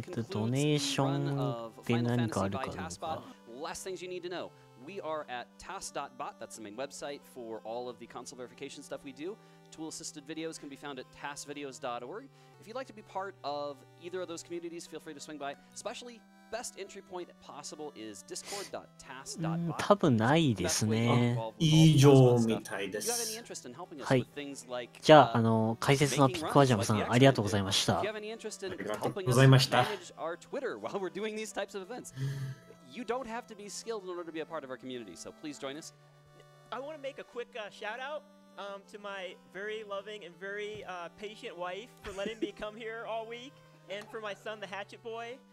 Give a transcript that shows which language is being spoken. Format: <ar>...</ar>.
<ja>ドネーションで何かあるかどうか。</ja> <en>Last things you need to know. We are at TASBot. That's the main website for all of the console verification stuff we do. Tool-assisted videos can be found at TASVideos.org. If you'd like to be part of either of those communities, feel free to swing by. Especially, best entry point possible is Discord.TASBot.</en> <ja>多分ないですね。以上みたいです。</ja> <en>Do you have any interest in helping us with things like,</en> <ja>じゃあ、解説のピックワジャムさん、ありがとうございました。ありがとうございました。</ja> <en>Manage our Twitter while we're doing these types of events. You don't have to be skilled in order to be a part of our community, so please join us. I want to make a quick shout out to my very loving and very patient wife for letting me come here all week, and for my son, the Hatchet Boy.</en>